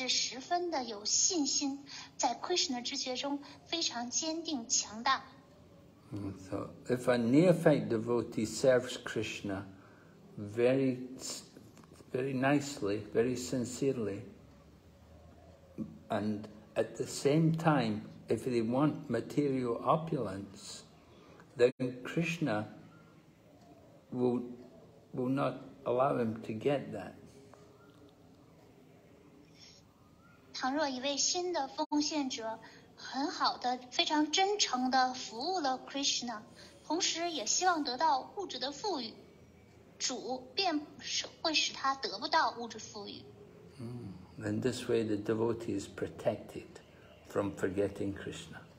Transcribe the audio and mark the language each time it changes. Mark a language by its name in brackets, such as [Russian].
[Chinese] 主通常是不会赐予这样的物质富裕的，除非这样的人他是十分的有信心，在 Krishna之觉中非常坚定强大。So [English] if a neophyte devotee serves Krishna very, very nicely, very sincerely, and at the same time, if they want material opulence, then Krishna will not allow him to get that. [Chinese] 倘若一位新的奉献者很好的、非常真诚的服务了 Krishna， 同时也希望得到物质的富裕，主便会使他得不到物质富裕。 [English] In this way, the devotee is protected from forgetting Krishna.